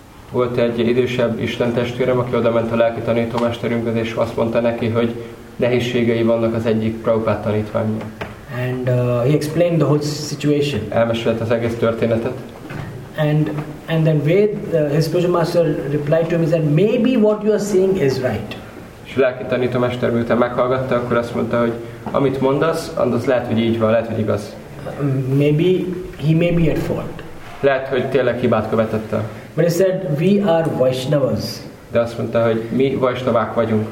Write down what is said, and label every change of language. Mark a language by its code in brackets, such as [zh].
[hu] Volt egy idősebb Isten testvérem, aki odament a lelki tanítómesterünkhez, és azt mondta neki, hogy nehézségei vannak az egyik Prabhupád tanítványnak. [en] And he explained the whole situation. [hu] Elmesélte az egész történetet. [en] And then his spiritual master replied to him, he said, maybe what you are saying is right. [hu] És a lelki tanítómester miután meghallgatta, akkor azt mondta, hogy amit mondasz, az lehet, hogy így van, lehet, hogy igaz. [en] Maybe he may be at fault. [hu] Lehet, hogy tényleg hibát követette. [en] But he said, we are Vaishnavas. [hu] De azt mondta, hogy mi Vaishnavák vagyunk.